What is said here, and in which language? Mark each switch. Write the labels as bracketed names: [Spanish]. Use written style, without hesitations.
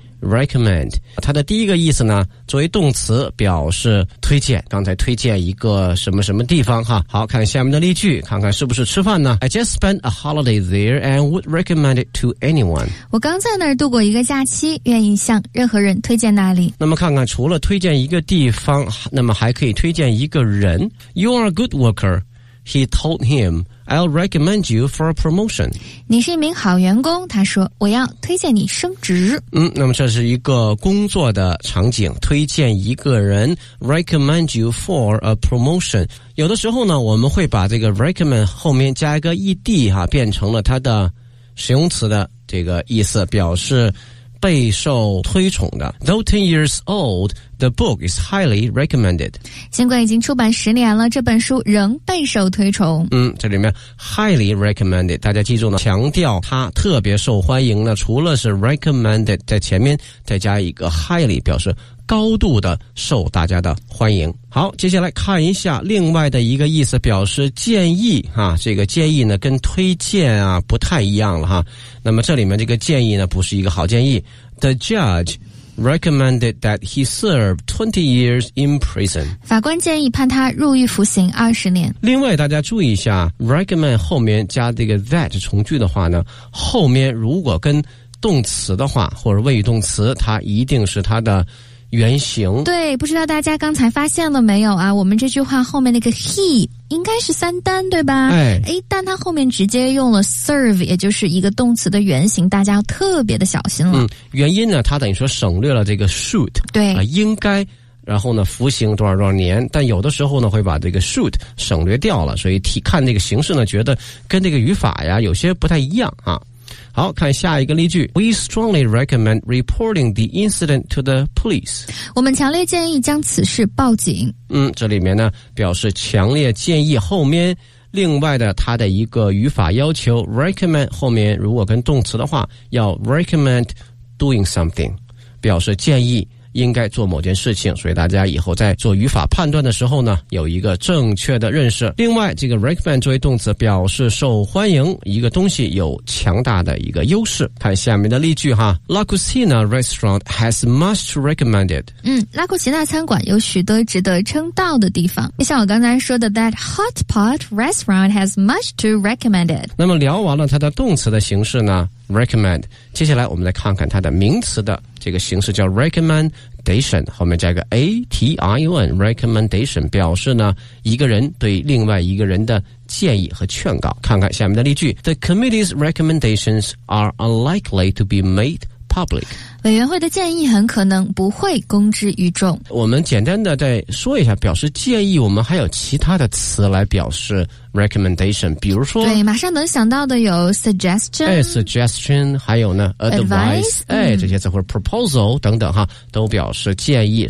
[Chinese] recommend， 它的第一个意思呢，作为动词表示推荐，刚才推荐一个什么什么地方哈。好，看下面的例句，看看是不是吃饭呢。 [English] I just spent a holiday there and would recommend it to anyone。 [Chinese] 我刚在那儿度过一个假期，愿意向任何人推荐那里。那么看看除了推荐一个地方，那么还可以推荐一个人。 [English] You are a good worker， he told him I'll recommend you for a promotion。 [Chinese] 你是一名好员工，他说我要推荐你升职。那么这是一个工作的场景，推荐一个人， [English] recommend you for a promotion。 [Chinese] 有的时候呢，我们会把这个 recommend 后面加一个 ed 哈，变成了它的形容词的这个意思，表示备受推崇的。 [English] Though 10 years old, the book is highly recommended. [Chinese] 尽管已经出版十年了，这本书仍备受推崇。这里面 [English] highly recommended， [Chinese] 大家记住呢，强调它特别受欢迎呢，除了是 recommended， 在前面再加一个 highly， 表示高度的受大家的欢迎。好，接下来看一下另外的一个意思，表示建议啊。这个建议呢跟推荐啊不太一样了哈。那么这里面这个建议呢不是一个好建议。 [English] The judge recommended that he serve 20 years in prison。 [Chinese] 法官建议判他入狱服刑20年。另外大家注意一下， recommend 后面加这个 that 从句的话呢，后面如果跟动词的话或者谓语动词，它一定是它的原型。对，不知道大家刚才发现了没有啊，我们这句话后面那个 he 应该是三单对吧？哎，但他后面直接用了 serve， 也就是一个动词的原型，大家要特别的小心了。原因呢，他等于说省略了这个 should。对、应该，然后呢服刑多少多少年，但有的时候呢会把这个 should 省略掉了，所以看这个形式呢觉得跟这个语法呀有些不太一样啊。好，看下一个例句。 [English] We strongly recommend reporting the incident to the police。 [Chinese] 我们强烈建议将此事报警。这里面呢表示强烈建议，后面另外的它的一个语法要求， recommend 后面如果跟动词的话要 [English] recommend doing something， [Chinese] 表示建议应该做某件事情，所以大家以后在做语法判断的时候呢有一个正确的认识。另外这个 recommend 作为动词表示受欢迎，一个东西有强大的一个优势。看下面的例句哈。 [English] La Cucina restaurant has much to recommend it。 [Chinese] 拉库奇纳餐馆有许多值得称道的地方。像我刚才说的， [English] that hot pot restaurant has much to recommend it。 [Chinese] 那么聊完了它的动词的形式呢， recommend， 接下来我们来看看它的名词的这个形式，叫 recommendation， 后面加一个 ation， recommendation 表示呢一个人对另外一个人的建议和劝告。看看下面的例句。 [English] The committee's recommendations are unlikely to be made public。 [Chinese] 委员会的建议很可能不会公之于众。我们简单的再说一下，表示建议我们还有其他的词来表示 recommendation， 比如说，对，马上能想到的有 suggestion， suggestion， 还有呢 advice， 这些词，或者 proposal 等等哈，都表示建议。